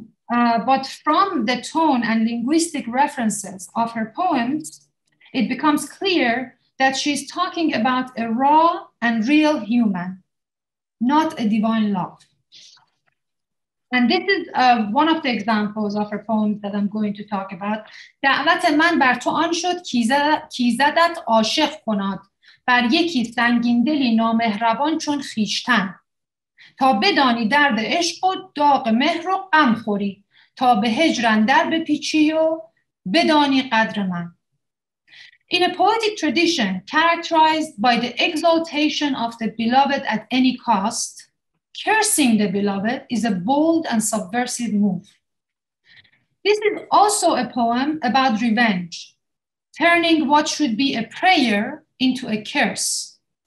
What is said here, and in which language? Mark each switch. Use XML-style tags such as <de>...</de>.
<en>But from the tone and linguistic references of her poems, it becomes clear that she's talking about a raw and real human, not a divine love. And this is one of the examples of her poems that I'm going to talk about.</en> <fa>دعوت من بر تو آن شد کیزدت عاشق کناد بر یکی سنگین دلی نامهربان چون خیشتن تا بدانی درد عشق و داغ مهر و غم خوری تا به هجران در بپیچی و بدانی قدر من.</fa> <en>In a poetic tradition characterized by the exaltation of the beloved at any cost, cursing the beloved is a bold and subversive move. This is also a poem about revenge, turning what should be a prayer into a curse.</en>